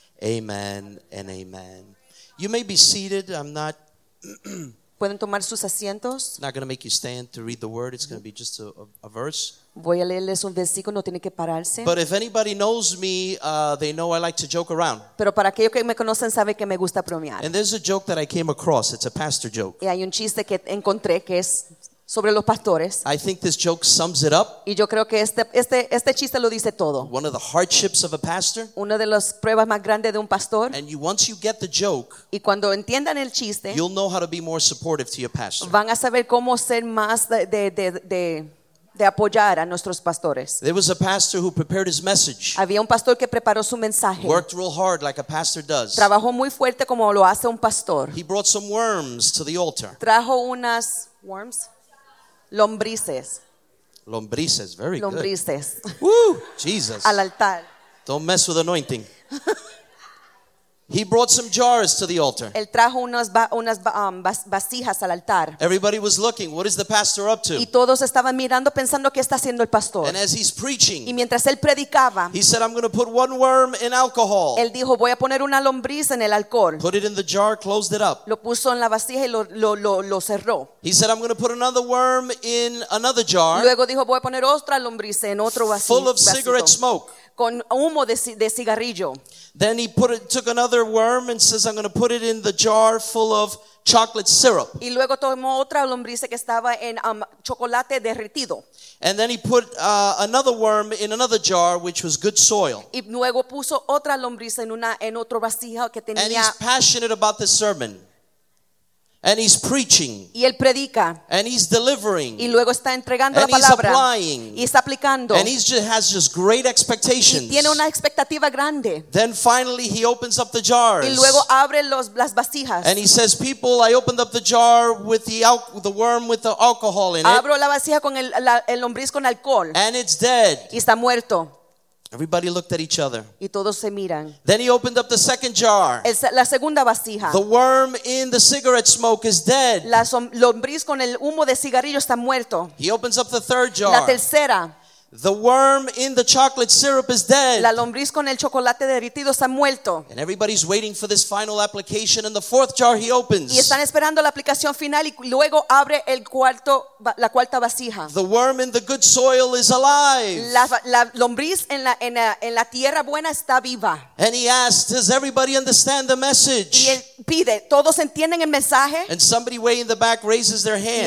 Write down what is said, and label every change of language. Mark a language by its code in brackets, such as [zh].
[en] Amen and amen. You may be seated. I'm not [es] pueden tomar sus asientos. [en] Not going to make you stand to read the word. It's going to be just a verse. [es] Voy a leerles un versículo. No tiene que pararse. [en] But if anybody knows me, they know I like to joke around. [es] Pero para aquellos que me conocen sabe que me gusta bromear. [en] And there's a joke that I came across. It's a pastor joke. [es] Y hay un chiste que encontré que es sobre los pastores. [en] I think this joke sums it up. [es] Y yo creo que este chiste lo dice todo. [en] One of the hardships of a pastor. [es] Una de las pruebas más grandes de un pastor. [en] And once you get the joke. [es] Y cuando entiendan el chiste. [en] You'll know how to be more supportive to your pastor. [es] Van a saber cómo ser más de apoyar a nuestros pastores. [en] There was a pastor who prepared his message. [es] Había un pastor que preparó su mensaje. [en] Worked real hard like a pastor does. [es] Trabajó muy fuerte como lo hace un pastor. [en] He brought some worms to the altar. [es] Trajo unas worms. Lombrices. Lombrices, very lombrices. [en] Good. Woo, Jesus. [es] Al altar. [en] Don't mess with anointing. He brought some jars to the altar. [es] Él trajo unas vasijas al altar. [en] Everybody was looking. What is the pastor up to? [es] Y todos estaban mirando, pensando qué está haciendo el pastor. [en] And as he's preaching, [es] y mientras él predicaba, [en] he said, "I'm going to put one worm in alcohol." [es] Él dijo, voy a poner una lombriz en el alcohol. [en] Put it in the jar, closed it up. [es] Lo puso en la vasija y lo cerró. [en] He said, "I'm going to put another worm in another jar." [es] Luego dijo, voy a poner otra lombriz en otro vasito. [en] Full of cigarette smoke. [es] Con humo de cigarrillo. [en] Then he took another worm and says, "I'm going to put it in the jar full of chocolate syrup." [es] Y luego tomó otra lombriz que estaba en chocolate derretido. [en] And then he put another worm in another jar, which was good soil. [es] Y luego puso otra lombriz en otro vasija que tenía. [en] And he's passionate about the sermon. And he's preaching. [es] Y él predica. [en] And he's delivering. [es] Y luego está entregando la palabra. [en] And he's applying. [es] Y está aplicando. [en] And he has just great expectations. [es] Y tiene una expectativa grande. [en] Then finally he opens up the jars. [es] Y luego abre las vasijas. [en] And he says, "People, I opened up the jar with the worm with the alcohol in it." [es] Abro la vasija con el lombriz con alcohol. [en] And it's dead. [es] Y está muerto. [en] Everybody looked at each other. [es] Y todos se miran. [en] Then he opened up the second jar. [es] La segunda vasija. [en] The worm in the cigarette smoke is dead. [es] La lombriz con el humo de cigarrillo está muerto. [en] He opens up the third jar. [es] La tercera. [en] The worm in the chocolate syrup is dead. [es] La lombriz con el chocolate derretido está muerto. [en] And everybody's waiting for this final application, and the fourth jar he opens. [es] Y están esperando la aplicación final y luego abre la cuarta vasija. [en] The worm in the good soil is alive. [es] La lombriz en la tierra buena está viva. [en] And he asks, "Does everybody understand the message?" [es] Y él pide, ¿todos entienden el mensaje? [en] And somebody way in the back raises their hand.